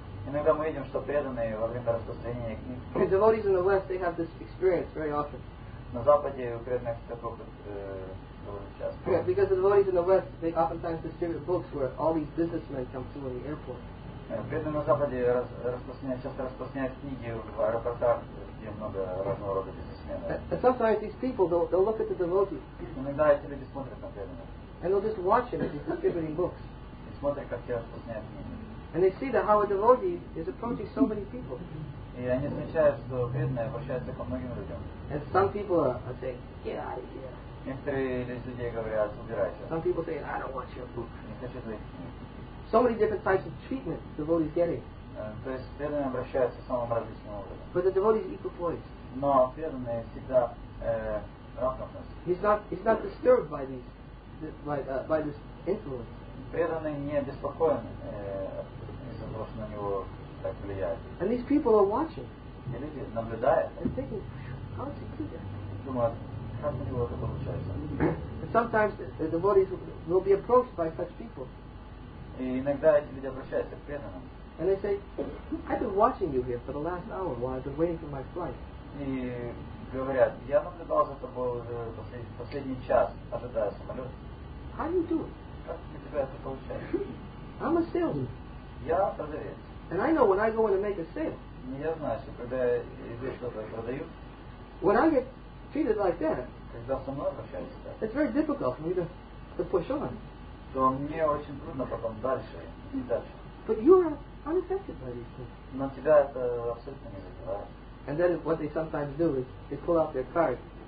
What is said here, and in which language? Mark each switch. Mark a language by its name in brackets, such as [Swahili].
[Russian] Иногда мы видим, что преданные во время распространения книг. [English] And devotees in the West, they have this experience very often. [Russian] На Западе у преданных такой опыт довольно часто. [English] Yeah, because the devotees in the West, they oftentimes distribute books where all these businessmen come through in the airport. [Russian] Преданные на Западе часто распространяют книги в аэропортах, где много разного рода бизнесменов. [English] And sometimes these people, they'll look at the devotees. [Russian] Иногда эти люди смотрят на преданных. [English] And they'll just watch him as he's distributing books. [Russian] И смотрят, как те распространяют книги. [English] And they see that how a devotee is approaching so many people. [Russian] И они замечают, что преданные обращаются ко многим людям. [English] And some people are saying, get out of here. [Russian] Некоторые из людей говорят, убирайся. [English] Some people say, I don't want your book. [Russian] Не хочу твоих книг. [English] So many different types of treatment the devotee is getting. [Russian] То есть преданные обращаются самым различным образом. [English] But the devotee is equal poised. [Russian] Но преданные всегда равновесны. [English] He's not disturbed by this influence. [Russian] Преданные не обеспокоены из-за того, что на него так влияет. [English] And these people are watching. [Russian] И люди наблюдают. [English] And thinking, how does he do that? [Russian] Думают, как у него это получается. [English] And sometimes the devotees will be approached by such people. [Russian] И иногда эти люди обращаются к преданным. [English] And they say, I've been watching you here for the last hour while I've been waiting for my flight. [Russian] И говорят, я наблюдал за тобой уже последний час, ожидая самолет. [English] How do you do it? [Russian] Как у тебя это получается? [English] I'm a salesman. [Russian] Я продавец. [English] And I know when I go in to make a sale. [Russian] Я знаю, что когда я иду что-то продаю. [English] When I get treated like that, [Russian] когда со мной обращаются так, [English] it's very difficult for me to push on. [Russian] То мне очень трудно потом дальше. [English] But you're unaffected by these things. [Russian] Но тебя это абсолютно не задевает. [English] And then what they sometimes do is they pull out their card.